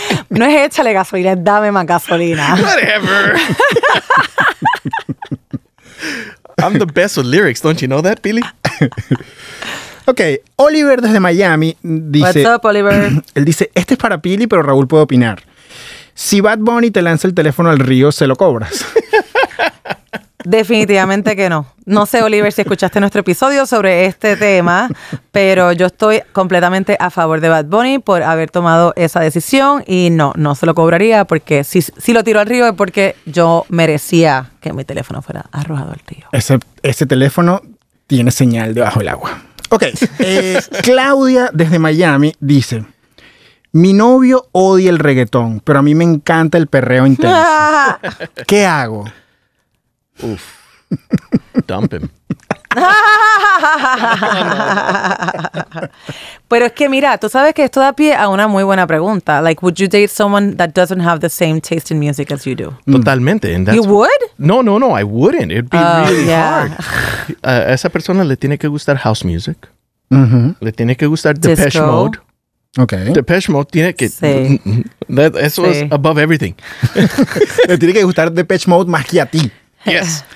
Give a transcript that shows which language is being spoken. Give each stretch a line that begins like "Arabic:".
Spanish: No es échale gasolina, es dame más gasolina.
English: Whatever. I'm the best with lyrics, don't you know that, Billy?
Spanish: Okay, Oliver desde Miami dice...
English: What's up, Oliver?
Spanish: Él dice, este es para Billy, pero Raúl puede opinar. Si Bad Bunny te lanza el teléfono al río, ¿se lo cobras? Definitivamente que no. No sé, Oliver, si escuchaste nuestro episodio sobre este tema, pero yo estoy completamente a favor de Bad Bunny por haber tomado esa decisión y no se lo cobraría porque si lo tiro al río es porque yo merecía que mi teléfono fuera arrojado al río. Ese teléfono tiene señal debajo del agua. Ok, Claudia desde Miami dice... Mi novio odia el reggaetón, pero a mí me encanta el perreo intenso. ¿Qué hago?
English: Uf. Dump him.
Spanish: Pero es que mira, tú sabes que esto da pie a una muy buena pregunta.
English: Like, would you date someone that doesn't have the same taste in music as you do? Totalmente. And that's you would? No, I wouldn't. It'd be really hard.
Spanish: Esa persona le tiene que gustar house music. Mm-hmm. Le tiene que gustar Depeche Disco. Mode.
English: Okay.
Spanish: Depeche Mode tiene que... Sí. Eso es
English: above everything.
Spanish: Le tiene que gustar Depeche Mode más que a ti.
English: Yes.